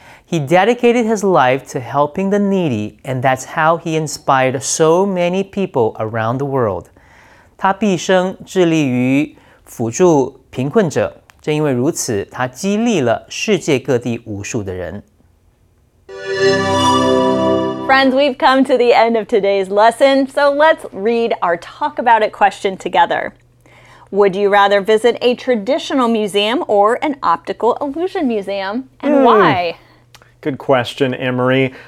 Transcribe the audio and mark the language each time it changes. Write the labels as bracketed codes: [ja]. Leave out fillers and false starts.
[en] He dedicated his life to helping the needy, and that's how he inspired so many people around the world. [zh] 他毕生致力于辅助贫困者，正因为如此，他激励了世界各地无数的人。 [en] Friends, we've come to the end of today's lesson, so let's read our talk about it question together. Would you rather visit a traditional museum or an optical illusion museum, and why? Good question, Anne-Marie.